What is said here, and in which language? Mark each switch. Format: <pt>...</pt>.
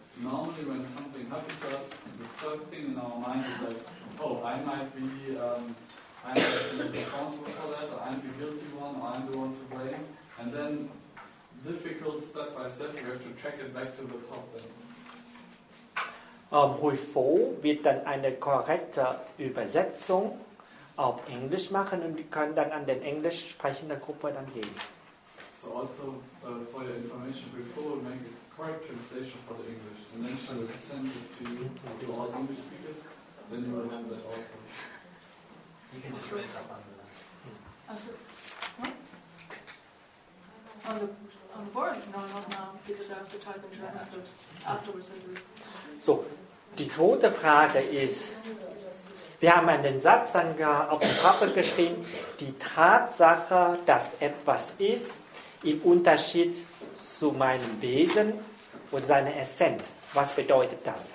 <en>Normally when something happens to us, the first thing in our mind is like, oh, I might be responsible for that, or I'm the guilty one, or I'm the one to blame. And then difficult step by step, we have to track it back to the top then.</en> <de>Huifo wird dann eine korrekte Übersetzung auf Englisch machen und die können dann an den Englisch sprechenden Gruppe dann geben.</de> <en>So also for your information, Huifo will make a correct translation for the English and then she will send it to you to all the English speakers, then you will have that also. You can just write it up under that. Also, on the board, no, not now, because I have to type in German afterwards.</en> <de>So, die zweite Frage ist, wir haben einen Satz dann auf dem Papier geschrieben, die Tatsache, dass etwas ist, im Unterschied zu meinem Wesen und seiner Essenz. Was bedeutet das?</de>